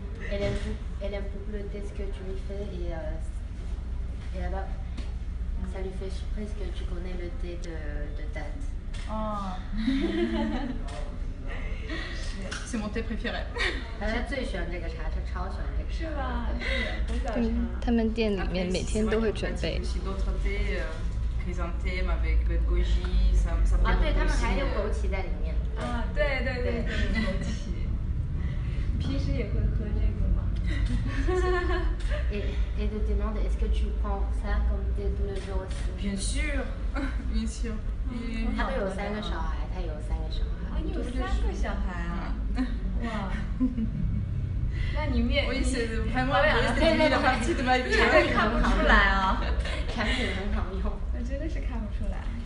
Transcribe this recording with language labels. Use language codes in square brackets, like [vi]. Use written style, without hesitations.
[fr] Elle aime beaucoup le test que tu lui fais et là-bas, ça lui fait surprise que tu connais le thé de date. Oh. c'est mon thé préféré。 [zh] 他最喜欢这个茶，他超喜欢这个茶。是吧？对，很小他们店里面每天都会准备。啊，对，他们还有枸杞在里面。啊，对对对对，枸杞。平时也会喝这个吗？ [fr] Et te demande, est-ce que tu prends ça comme thé tous les jours aussi? Bien sûr, bien sûr. [zh] 他都有三个小孩，他有三个小孩。啊，你有三个小孩啊？哇，那你面，我也是，还保养了，对对对，怎么产品看不出来啊？产品很好用，我真的是看不出来。